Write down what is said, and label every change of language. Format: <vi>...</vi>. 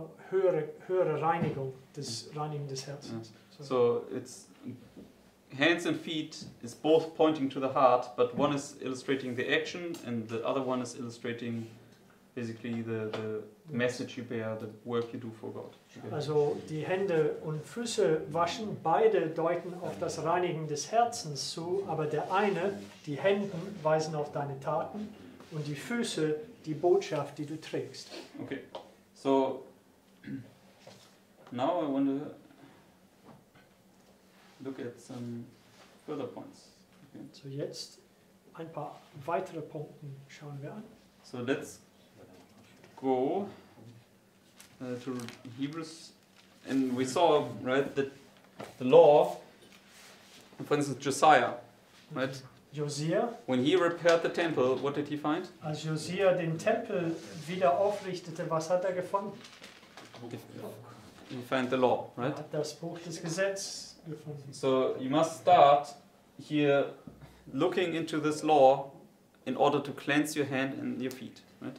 <de>Höhere Reinigung, das Reinigen des Herzens.</de> <en>Yes. So it's hands and feet is both pointing to the heart, but one is illustrating the action and the other one is illustrating basically the message you bear, the work you do for God. Okay.</en> <de>Also die Hände und Füße waschen, beide deuten auf das Reinigen des Herzens zu, aber der eine, die Hände, weisen auf deine Taten und die Füße die Botschaft, die du trägst.</de> <en>Okay, so now I want to look at some further points. Okay.</en> <de>So jetzt ein paar weitere Punkte schauen wir an.</de> <en>So let's go to Hebrews, and we saw right that the law, for instance, Josiah, right? Josiah. When he repaired the temple, what did he find?</en> <de>Als Josiah den Tempel wieder aufrichtete, was hat er gefunden?</de> <en>He found the law, right?</en> <de>Hat das Buch des Gesetzes gefunden.</de> <en>So you must start here, looking into this law, in order to cleanse your hand and your feet, right?</en>